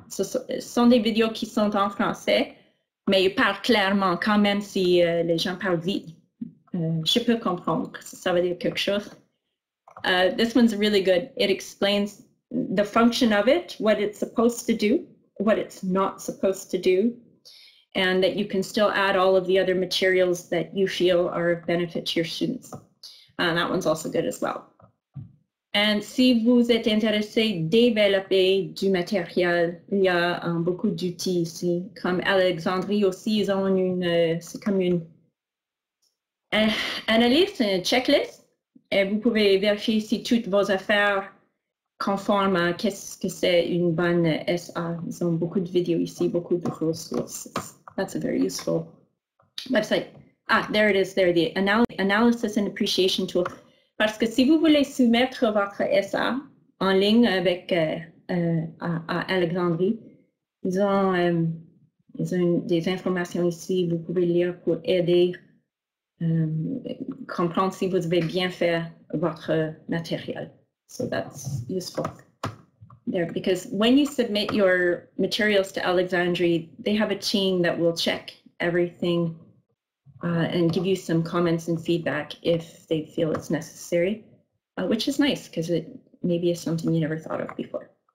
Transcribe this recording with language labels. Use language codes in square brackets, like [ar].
[fr] So, ce sont des vidéos qui sont en français, mais ils parlent clairement quand même si les gens parlent vite. Je peux comprendre que ça veut dire quelque chose. [en] This one's really good. It explains the function of it, what it's supposed to do, what it's not supposed to do, and that you can still add all of the other materials that you feel are of benefit to your students. And that one's also good as well. [fr] And si vous êtes intéressé, développer du matériel, il y a beaucoup d'outils ici. Comme Alexandrie aussi, ils ont une, c'est comme une analyse, une checklist. Et vous pouvez vérifier si toutes vos affaires conforment à qu'est-ce que c'est une bonne SA. Ils ont beaucoup de vidéos ici, beaucoup de ressources. [en] That's a very useful website. Ah, there it is, there, the analysis and appreciation tool. [fr] Parce que si vous voulez soumettre votre SA en ligne avec à Alexandrie, ils ont des informations ici, vous pouvez lire pour aider, comprendre si vous avez bien fait votre matériel. [en] So that's useful there, because when you submit your materials to Alexandrie, they have a team that will check everything and give you some comments and feedback if they feel it's necessary, which is nice because it maybe is something you never thought of before.